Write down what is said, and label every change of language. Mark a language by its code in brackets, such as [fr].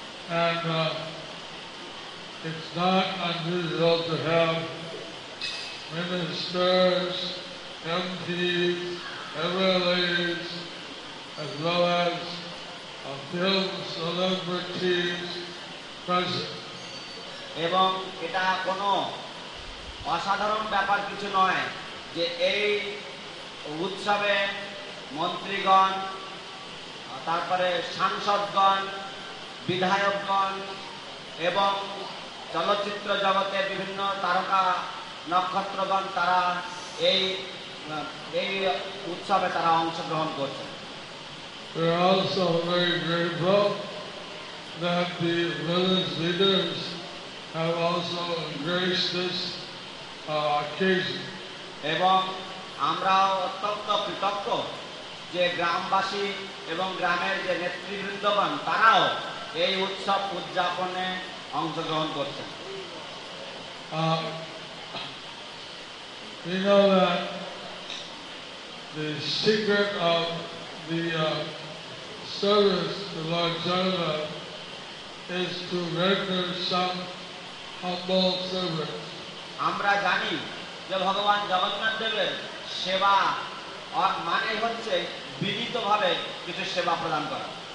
[en] And it's not unusual to have ministers, MPs, MLAs, as well as film celebrities present. [bn] এবং এটা কোনো অসাধারণ ব্যাপার কিছু নয় যে এই উৎসবে মন্ত্রীগণ, তারপরে সাংসদগণ, বিধায়কগণ এবং চলচ্চিত্র জগতের বিভিন্ন তারকা নক্ষত্রগণ তারা এই এই উৎসবে তারা অংশগ্রহণ করছে। [en] We are also very grateful that the village leaders have also embraced this occasion. [bn] এবং আমরা অত্যন্ত কৃতজ্ঞ যে গ্রামবাসী এবং গ্রামের যে নেতৃবৃন্দবান তারাও এই উৎসব উদযাপনে অংশগ্রহণ করছে। [en] We know that the secret of the service to Lord Jagannatha is to render some humble service. [bn] আমরা জানি যে ভগবান জগন্নাথ দেবের সেবা আর মানে হচ্ছে বিনীতভাবে কিছু সেবা প্রদান করা।